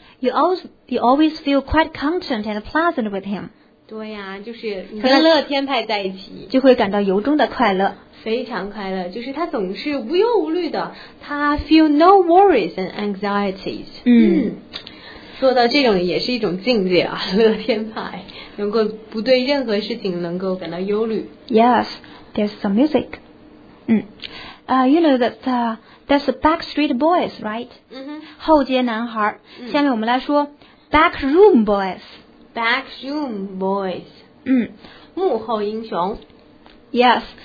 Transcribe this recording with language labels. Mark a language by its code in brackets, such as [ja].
[en] You always feel quite content and pleasant with him. [zh] 对呀、就是你跟乐天派在一起，就会感到由衷的快乐。非常快乐，就是他总是无忧无虑的，他 [en] feel no worries and anxieties. [zh] 做到这种也是一种境界啊，乐天派，能够不对任何事情能够感到忧虑。 [en] Yes, there's some music. You know that that's the Backstreet Boys, right? [zh] 后街男孩。下面我们来说 Backroom Boys. Backroom Boys. 幕后英雄。 [en] Yes.